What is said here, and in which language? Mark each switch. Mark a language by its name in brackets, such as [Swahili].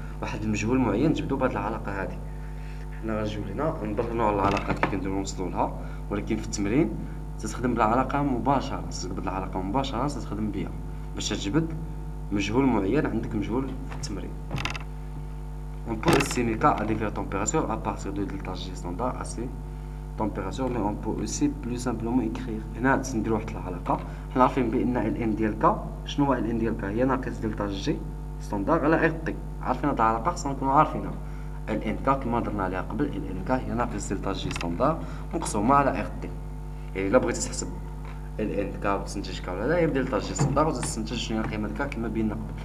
[Arabic] واحد المجهول معين تبدو بهذه العلاقه هذه. حنا رجولنا نبرهنوا على العلاقه كيف كنديروا نوصلوا لها، ولكن في التمرين تستخدم العلاقه مباشره، تستقبل العلاقه مباشره، تستخدم بيها باش تجبد مجهول معين عندك مجهول في التمرين. [French] On peut estimer à différentes températures à partir de delta G standard à ces températures, mais on peut aussi plus simplement écrire. [Arabic] هنا تندير واحد العلاقة، حنا عارفين بأن ال N ديال K، شنو هو ال N ديال K؟ هي ناقص دلتا جي ستاندار على R تي. عارفين هاد العلاقة، خصنا نكونو عارفينها. ال N K كما درنا عليها قبل، ال N K هي ناقص دلتا جي ستاندار مقسومة على R تي. يعني إلا بغيتي تحسب ال N K وتنتج K ولا لا، هي دلتا جي ستاندار وتستنتج شنو هي القيمة ديال K كما بينا قبل.